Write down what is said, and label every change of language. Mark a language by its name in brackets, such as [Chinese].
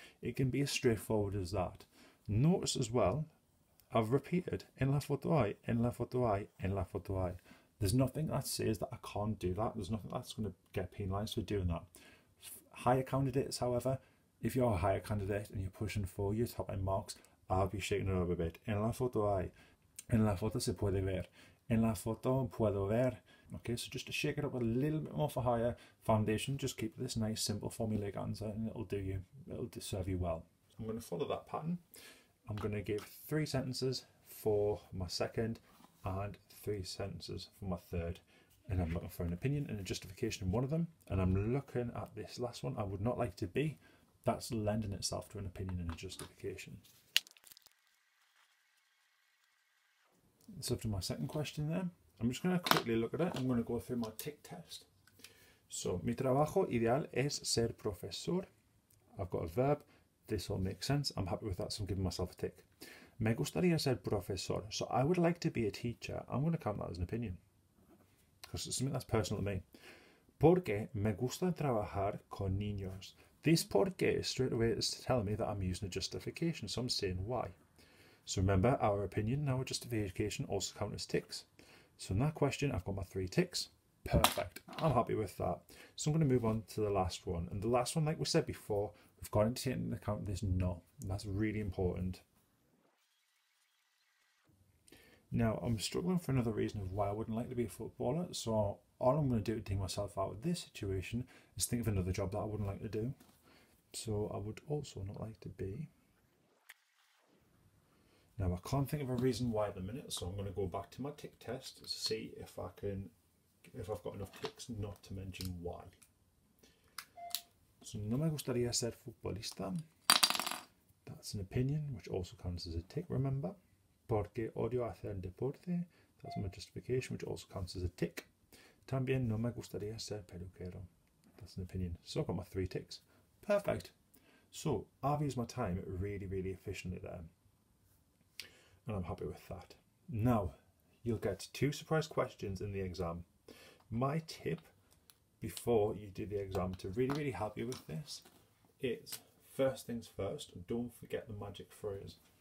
[English] It can be as straightforward as that. Notice as well, I've repeated [Spanish] en la foto hay, [English] en la foto hay, en la foto hay. There's nothing that says that I can't do that. There's nothing that's going to get penalised for doing that. Higher candidates, however, if you're a higher candidate and you're pushing for your top end marks, I'll be shaking it up a bit. [Spanish] En la foto hay, en la foto se puede ver, en la foto puedo ver. [English] Okay, so just to shake it up a little bit more for higher foundation, just keep this nice simple formulaic answer and it'll serve you well. So I'm going to follow that pattern. I'm going to give three sentences for my second and three sentences for my third. And I'm looking for an opinion and a justification in one of them. And I'm looking at this last one, I would not like to be. That's lending itself to an opinion and a justification. So to my second question there. I'm just going to quickly look at it. I'm going to go through my tick test. [Spanish] So, mi trabajo ideal es ser profesor. [English] I've got a verb. This all makes sense. I'm happy with that, so I'm giving myself a tick. [Spanish] Me gustaría ser profesor. [English] So, I would like to be a teacher. I'm going to count that as an opinion because it's something that's personal to me. [Spanish] Porque me gusta trabajar con niños. [English] This porque straight away is telling me that I'm using a justification. So, I'm saying why. So, remember, our opinion and our justification also count as ticks. So in that question, I've got my three ticks. Perfect. I'm happy with that. So I'm going to move on to the last one. And the last one, like we said before, we've got to take into account this not. And that's really important. Now, I'm struggling for another reason of why I wouldn't like to be a footballer. So all I'm going to do to take myself out of this situation is think of another job that I wouldn't like to do. So I would also not like to be. Now, I can't think of a reason why at the minute. So I'm going to go back to my tick test to see if I can, if I've got enough ticks not to mention why. [Spanish] So no me gustaría ser futbolista. [English] That's an opinion, which also counts as a tick, remember. [Spanish] Porque odio hacer deporte. [English] That's my justification, which also counts as a tick. [Spanish] También no me gustaría ser peluquero. [English] That's an opinion. So I've got my three ticks. Perfect. So I've used my time really, really efficiently there. And I'm happy with that. Now, you'll get two surprise questions in the exam. My tip before you do the exam to really, really help you with this is, first things first, don't forget the magic phrase.